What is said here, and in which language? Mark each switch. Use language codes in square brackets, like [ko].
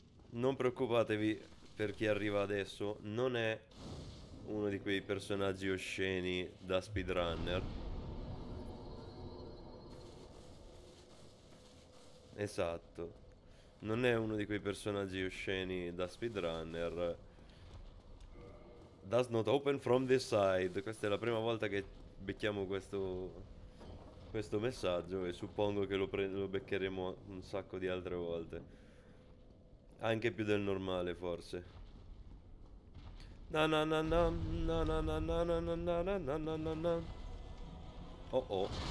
[it] Non preoccupatevi per chi arriva adesso, non è uno di quei personaggi osceni da speedrunner. Esatto. Non è uno di quei personaggi osceni da speedrunner. [en] Does not open from this side. [it] Questa è la prima volta che becchiamo questo messaggio e suppongo che lo beccheremo un sacco di altre volte, anche più del normale forse. Na na na na na na na na na na na na na na na na. Oh oh.